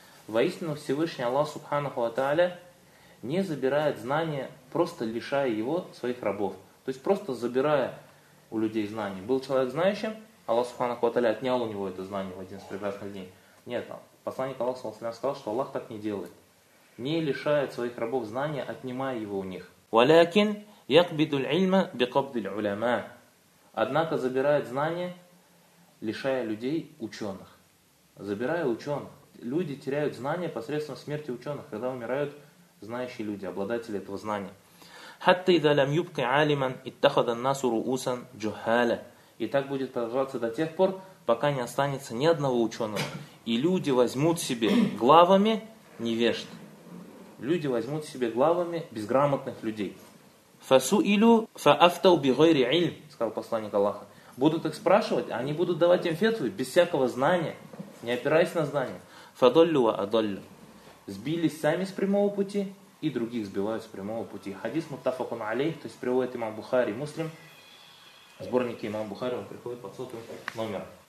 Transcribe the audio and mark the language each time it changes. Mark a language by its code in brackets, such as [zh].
[ru] Воистину Всевышний Аллах, субханаху ва та'аля, не забирает знания, просто лишая его своих рабов. То есть просто забирая у людей знания. Был человек знающим, Аллах, субханаху ва та'аля, отнял у него это знание в один из прекрасных дней. Нет, посланник Аллаха, саллиллаху алейхи вассалям, сказал, что Аллах так не делает. Не лишает своих рабов знания, отнимая его у них. [ar] «Валякин». يقبض العلم بقبض العلماء. [ru] Однако забирает знания, лишая людей ученых. Забирая ученых. Люди теряют знания посредством смерти ученых, когда умирают знающие люди, обладатели этого знания. [ar] حَتَّى إِذَا لَمْ يُبْقِ عَالِمًا اتَّخَذَ النَّاسُ رُؤُسًا جُهَالًا. [ru] И так будет продолжаться до тех пор, пока не останется ни одного ученого. И люди возьмут себе главами невежд. Люди возьмут себе главами безграмотных людей. [ar] فَسُئِلُوا فَأَفْتَوْ بِغَيْرِ عِلْمٍ [ru] сказал посланник Аллаха. Будут их спрашивать, они будут давать им фетвы без всякого знания, не опираясь на знания. [ar] فَضَلُّوا وَأَضَلُّوا [ru] сбились сами с прямого пути и других сбивают с прямого пути. Хадис муттафакун алейх, то есть приводит имам Бухари, муслим. В сборнике имам Бухари он приходит под сотым номером.